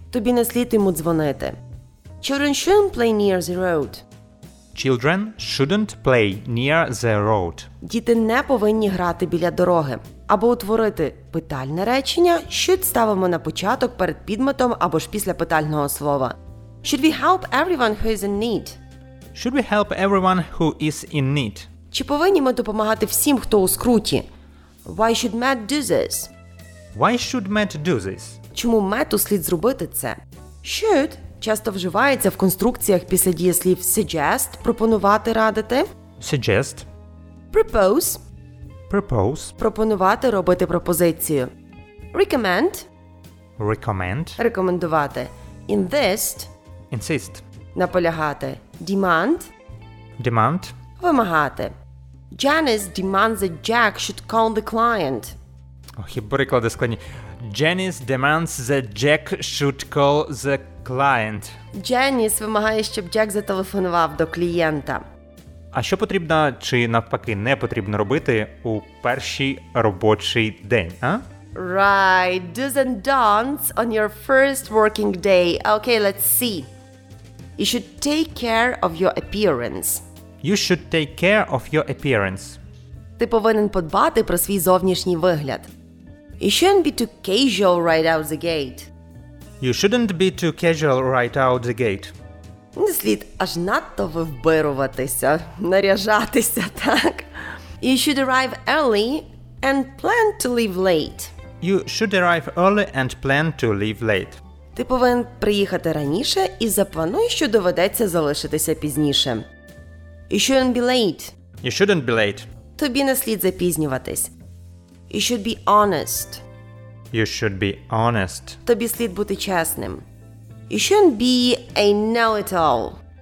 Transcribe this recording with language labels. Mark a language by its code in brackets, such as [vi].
[uk] «Тобі не слід йому дзвонити». [en] «Children shouldn't play near the road». Children shouldn't play near the road. [uk] Діти не повинні грати біля дороги. Або утворити питальне речення, should ставимо на початок перед підметом або ж після питального слова. [en] Should we help everyone who is in need? Should we help everyone who is in need? [uk] Чи повинні ми допомагати всім, хто у скруті? [en] Why should Matt do this? Why should Matt do this? [uk] Чому Мету слід зробити це? Should часто вживається в конструкціях після дієслів suggest – пропонувати, радити. [en] Suggest. Propose. Propose. [uk] Пропонувати, робити пропозицію. [en] Recommend. Recommend. [uk] Рекомендувати. Insist. [en] Insist. [uk] Наполягати. Demand. [en] Demand. [uk] Вимагати. [en] Janice demands that Jack should call the client. [uk] Ох, і приклади складні. [en] Janice demands that Jack should call the client. [uk] Janice вимагає, щоб Джек зателефонував до клієнта. А що потрібно чи навпаки не потрібно робити у перший робочий день, а? [en] Right, do's and don'ts on your first working day. Okay, let's see. You should take care of your appearance. You should take care of your appearance. [uk] Ти повинен подбати про свій зовнішній вигляд. [en] You shouldn't be too casual right out the gate. You shouldn't be too casual right out the gate. [uk] Не слід аж надто вивбируватися, наряжатися, так? [en] You should arrive early and plan to leave late. You should arrive early and plan to leave late. [uk] Ти повинен приїхати раніше і заплануй, що доведеться залишитися пізніше. [en] You shouldn't be late. You shouldn't be late. [uk] Тобі не слід запізнюватись. [en] You should be honest. You should be honest. [uk] Тобі слід бути чесним. [en] You shouldn't be a know-it-all.